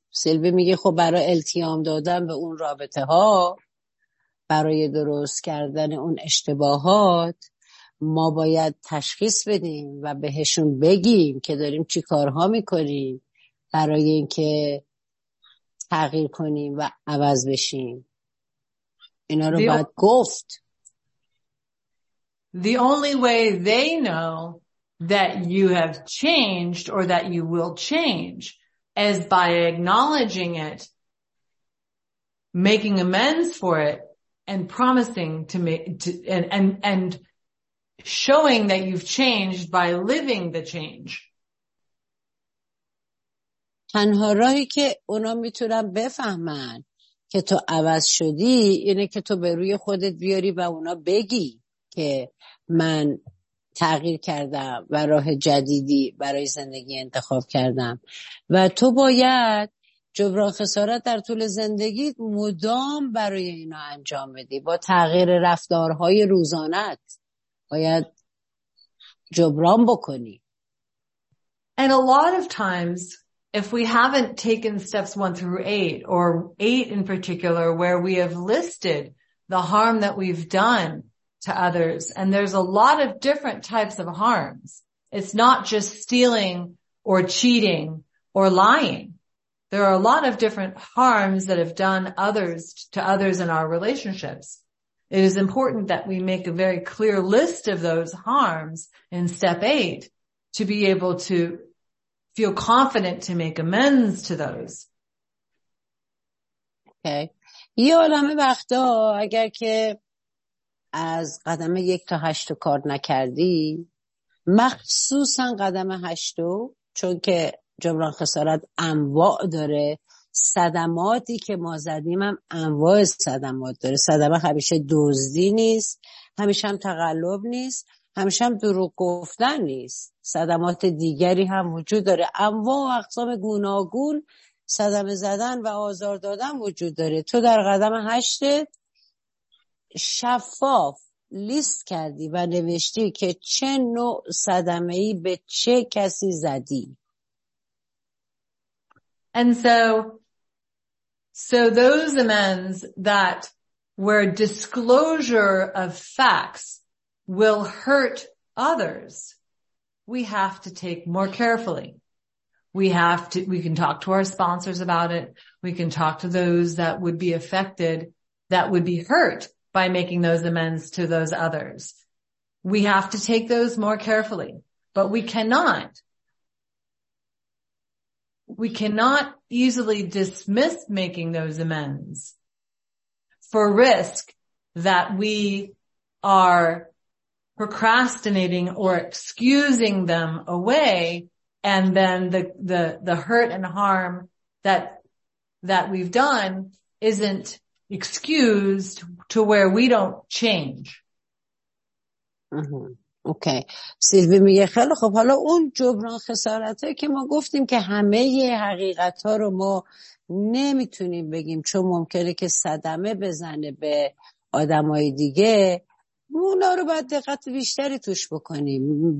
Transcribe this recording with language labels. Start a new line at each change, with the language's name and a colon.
Persian: سیلوی میگه خب برای التیام دادن به اون رابطه ها، برای درست کردن اون اشتباهات، ما باید تشخیص بدیم و بهشون بگیم که داریم چی کارها میکنیم برای اینکه تغییر کنیم و عوض بشیم. اینا رو باید گفت.
English: The only way they know that you have changed or that you will change is by acknowledging it, making amends for it, and promising to make and showing that you've changed by living the change.
Persian: تنها راهی که اونا میتونن بفهمن که تو عوض شدی اینه که تو به روی خودت بیاری و اونا بگی که من تغییر کردم و راه جدیدی برای زندگی انتخاب کردم. و تو باید جبران خسارت در طول زندگی مدام برای اینا انجام بدی، با تغییر رفتارهای روزانت باید جبران بکنی.
English: And a lot of times if we haven't taken steps 1 through 8 or 8 in particular where we have listed the harm that we've done to others, and there's a lot of different types of harms. It's not just stealing or cheating or lying. There are a lot of different harms that have done others to others in our relationships. It is important that we make a very clear list of those harms in step 8 to be able to feel confident to make amends to those. Okay.
Persian: یه عالمه وقتا اگر که از قدم 1 تا 8 کار نکردی، مخصوصا قدم 8، چون که جبران خسارت انواع داره، صدماتی که ما زدیم هم انواع صدمات داره. صدمه همیشه دزدی نیست، همیشه هم تقلب نیست، همیشه هم دروغ گفتن نیست، صدمات دیگری هم وجود داره. انواع و اقسام گوناگون صدمه زدن و آزار دادن وجود داره. تو در قدم 8 شفاف لیست کردی و نوشتی که چه نوع صدمه‌ای به چه کسی زدی.
English: And so those amends that were disclosure of facts will hurt others, we have to take more carefully. We can talk to our sponsors about it. We can talk to those that would be affected, that would be hurt by making those amends to those others. We have to take those more carefully, but we cannot easily dismiss making those amends for risk that we are procrastinating or excusing them away, and then the hurt and harm that we've done isn't excused to where we don't change.
Persian: اوکی. سیلوی میگه خیلی خب، حالا اون جبران خسارته که ما گفتیم که همه حقیقت ها رو ما نمیتونیم بگیم چون ممکنه که صدمه بزنه به آدمای دیگه، اونا رو باید دقت بیشتری توش بکنیم.